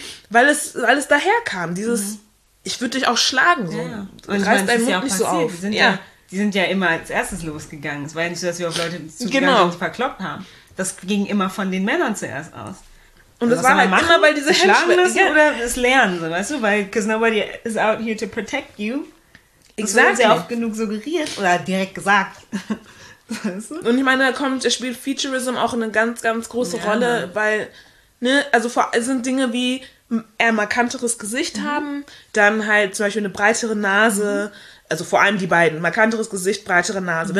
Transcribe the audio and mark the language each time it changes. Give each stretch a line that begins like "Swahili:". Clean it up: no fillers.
German: Weil es daher kam, dieses, ich würde dich auch schlagen. So. Ja. Und reißt deinen Mund nicht so auf. Die sind ja immer als erstes losgegangen. Es war ja nicht so, dass wir auf Leute zugegangen sind, die verkloppt haben. Das ging immer von den Männern zuerst aus. Und das war halt immer, weil diese Hemmschwelle oder das Lernen, so, weißt du?
English: Weil, because nobody is out here to protect you. Exactly.
German: Das wurde ja oft genug suggeriert oder direkt gesagt. Weißt du? Und ich meine, da spielt Featurism auch eine ganz, ganz große Rolle, weil, ne, also vor allem sind Dinge wie eher markanteres Gesicht haben, dann halt zum Beispiel eine breitere Nase, also vor allem die beiden, markanteres Gesicht, breitere Nase.